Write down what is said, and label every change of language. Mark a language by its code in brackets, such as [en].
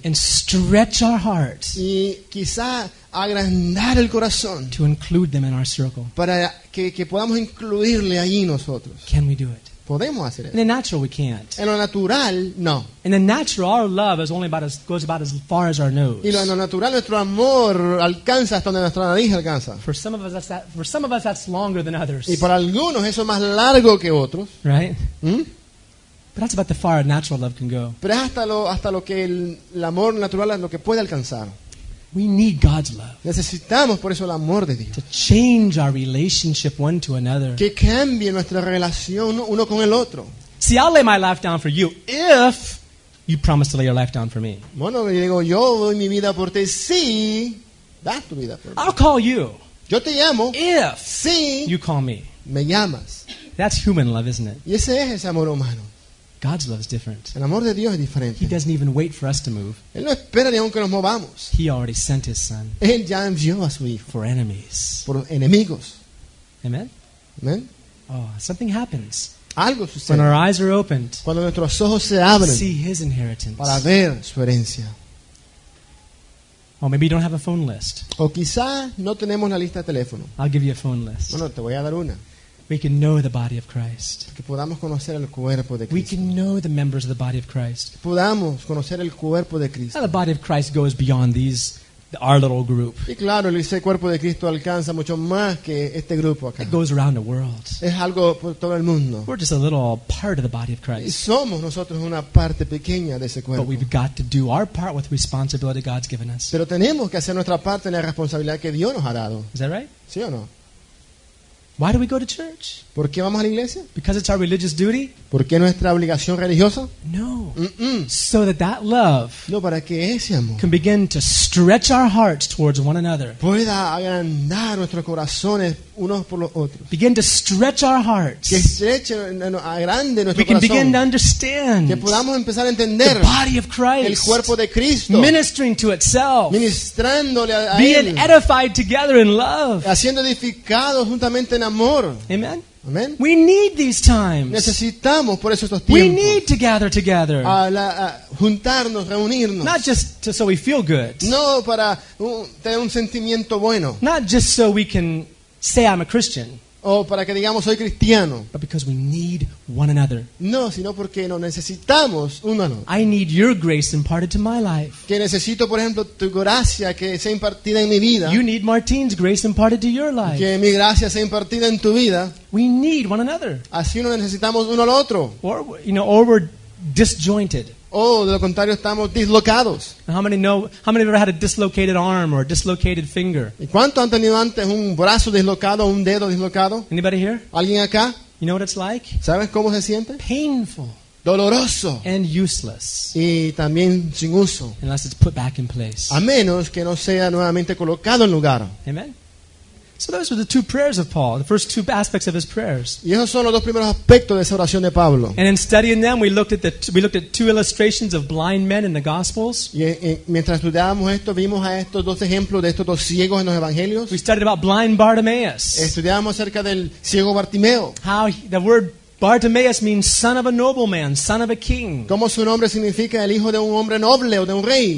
[en] and stretch our hearts, [es] y quizás agrandar el corazón, [en] to include them in our circle, [es] para que podamos incluirle ahí nosotros. [en] Can we do it? [es] Podemos hacer eso. [en] In the natural, we can't. [es] En lo natural, no. [en] In the natural, our love is only about as, goes about as far as our nose. [es] Y en lo natural, nuestro amor alcanza hasta donde nuestra nariz alcanza. [en] For some of us, that's, that, for some of us, that's longer than others. [es] Y para algunos, eso es más largo que otros. [en] Right? ¿Mm? But that's about the far natural love can go. [es] Pero es hasta lo que el amor natural es lo que puede alcanzar. [en] We need God's love. [es] Necesitamos por eso el amor de Dios. [en] To change our relationship one to another. [es] Que cambie nuestra relación uno con el otro. [en] See, I'll lay my life down for you if you promise to lay your life down for me. [es] Bueno, le digo, yo doy mi vida por ti si das tu vida por mí. [en] I'll call you. [es] Yo te llamo. [en] If [es] si [en] you call me. [es] Me llamas. [en] That's human love, isn't it? [es] Y ese es amor humano. [en] God's love is different. [es] El amor de Dios es diferente. [en] He doesn't even wait for us to move. [es] Él no espera ni aunque nos movamos. [en] He already sent his son. [es] Él ya envió a su hijo. [en] For enemies. [es] Por enemigos. [en] Amen. [es] Amen. [en] Oh, something happens. [es] Algo sucede. [en] When our eyes are opened. [es] Cuando nuestros ojos se abren. [en] See his inheritance. [es] Para ver su herencia. [en] Or maybe you don't have a phone list. [es] O quizá no tenemos la lista de teléfono. [en] I'll give you a phone list. [es] Bueno, te voy a dar una. [en] We can know the body of Christ. [es] Que podamos conocer el cuerpo de Cristo. [en] We can know the members of the body of Christ. [es] Que podamos conocer el cuerpo de Cristo. [en] Now the body of Christ goes beyond these, our little group. [es] Y claro, ese cuerpo de Cristo alcanza mucho más que este grupo acá. [en] It goes around the world. [es] Es algo por todo el mundo. [en] We're just a little part of the body of Christ. [es] Y somos nosotros una parte pequeña de ese cuerpo. [en] But we've got to do our part with the responsibility God's given us. [es] Pero tenemos que hacer nuestra parte en la responsabilidad que Dios nos ha dado. [en] Is that right? [es] ¿Sí o no? [en] Why do we go to church? [es] ¿Por qué vamos a la iglesia? [en] Because it's our religious duty? [es] ¿Por qué nuestra obligación religiosa? [en] No. Mm-mm. So that love, [es] no, para que ese amor, [en] can begin to stretch our hearts towards one another. [es] Pueda agrandar nuestros corazones unos por los otros. [en] Begin to stretch our hearts. [es] Que estreche, agrande nuestro corazón. [en] We can begin to understand, [es] que podamos empezar a entender, [en] the body of Christ, [es] el cuerpo de Cristo, [en] ministering to itself, [es] ministrándole a [en] being edified together in love, [es] haciendo edificados juntamente en amor. [en] Amen. [es] Amen. [en] We need these times. [es] Necesitamos por eso estos tiempos. [en] We need to gather together. [es] Juntarnos, reunirnos. [en] Not just to, so we feel good. [es] No, para tener un sentimiento bueno. [en] Not just so we can say I'm a Christian. [es] O para que digamos soy cristiano. [en] But because we need one another. [es] No, sino porque nos necesitamos uno al otro. [en] I need your grace imparted to my life. [es] Que necesito, por ejemplo, tu gracia que sea impartida en mi vida. [en] You need Martin's grace imparted to your life. [es] Que mi gracia sea impartida en tu vida. [en] We need one another. [es] Así nos necesitamos uno al otro. [en] Or, you know, or we're disjointed. [es] Oh, de lo contrario estamos dislocados. [en] How many have ever had a dislocated arm or a dislocated finger? [es] ¿Y cuánto han tenido antes un brazo dislocado o un dedo dislocado? [en] Anybody here? [es] ¿Alguien acá? [en] You know what it's like? [es] ¿Sabes cómo se siente? [en] Painful. [es] Doloroso. [en] And useless. [es] Y también sin uso. [en] Unless it's put back in place. [es] A menos que no sea nuevamente colocado en lugar. [en] Amen. So those were the two prayers of Paul, the first two aspects of his prayers. [es] Y esos son los dos primeros aspectos de esa oración de Pablo. [en] And in studying them, we looked at two illustrations of blind men in the Gospels. [es] Y mientras estudiábamos esto, vimos a estos dos ejemplos de estos dos ciegos en los Evangelios. [en] We studied about blind Bartimaeus. [es] Estudiábamos acerca del ciego Bartimeo. [en] How the word Bartimaeus means son of a nobleman, son of a king. [es] Como su nombre significa el hijo de un hombre noble o de un rey.